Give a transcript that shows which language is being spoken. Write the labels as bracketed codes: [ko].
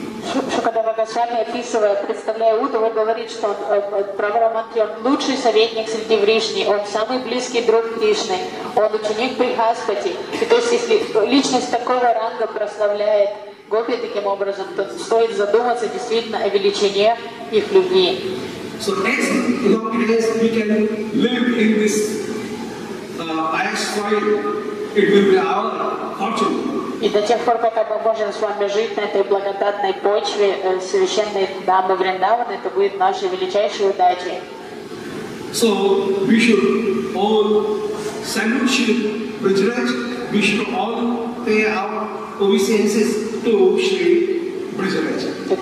[ru] Шукадева Госвами, описывая, представляя Уддаву, говорит, что Прабхуманти, он лучший советник среди Вришни, он самый близкий друг Кришны, он ученик Брихаспати. И то есть, если личность такого ранга прославляет Гопи таким образом, то стоит задуматься действительно о величине их любви. [en] So as long as we can live in this soil, it will be our fortune. [ru] И до тех пор, пока мы можем с вами жить на этой благодатной почве, священной дамы Вриндаваны, это будет нашей величайшей удачей. [en] So we should all salute Shri Brajraj, we should all pay our obeisances to Shri Brajraj.